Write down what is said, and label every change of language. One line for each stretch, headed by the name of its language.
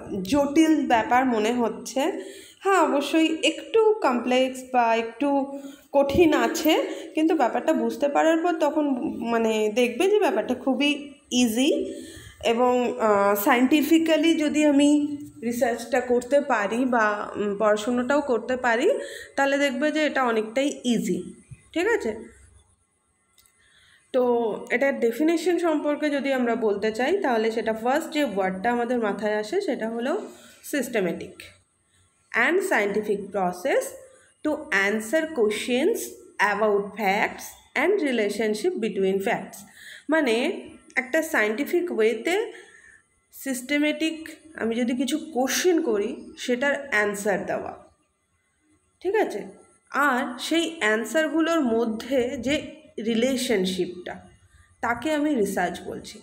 Bangla: জটিল ব্যাপার মনে হচ্ছে হ্যাঁ অবশ্যই একটু কমপ্লেক্স বা একটু কঠিন আছে কিন্তু ব্যাপারটা বুঝতে পারার পর তখন মানে দেখবে যে ব্যাপারটা খুবই ইজি এবং সায়েন্টিফিক্যালি যদি আমি রিসার্চটা করতে পারি বা পড়াশুনোটাও করতে পারি তাহলে দেখবে যে এটা অনেকটাই ইজি ঠিক আছে তো এটার ডেফিনেশন সম্পর্কে যদি আমরা বলতে চাই তাহলে সেটা ফার্স্ট যে ওয়ার্ডটা আমাদের মাথায় আসে সেটা হলো
English: Systematic and scientific process to answer questions about facts and relationship between facts.
Bangla: মানে একটা সায়েন্টিফিক ওয়েতে সিস্টেমেটিক আমি যদি কিছু কোশ্চেন করি সেটার অ্যান্সার দেওয়া, ঠিক আছে? আর সেই অ্যান্সারগুলোর মধ্যে যে রিলেশনশিপটা, তাকে আমি রিসার্চ বলছি।